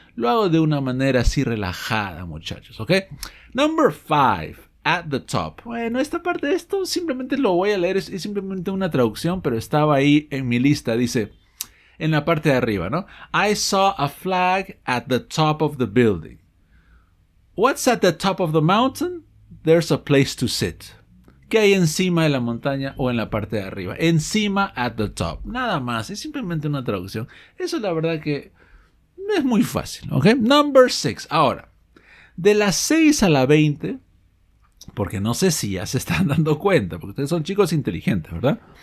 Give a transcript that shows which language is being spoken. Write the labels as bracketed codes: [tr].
[es] Lo hago de una manera así relajada, muchachos, ¿ok? [en] Number 5. At the top. [es] Bueno, esta parte de esto simplemente lo voy a leer. Es simplemente una traducción, pero estaba ahí en mi lista. Dice, en la parte de arriba, ¿no? [en] I saw a flag at the top of the building. What's at the top of the mountain? There's a place to sit. [es] ¿Qué hay encima de la montaña o en la parte de arriba? Encima, at the top. Nada más. Es simplemente una traducción. Eso, la verdad, que es muy fácil, ¿ok? [en] Number 6. [es] Ahora, de las 6 a la 20... Porque no sé si ya se están dando cuenta, porque ustedes son chicos inteligentes, ¿verdad?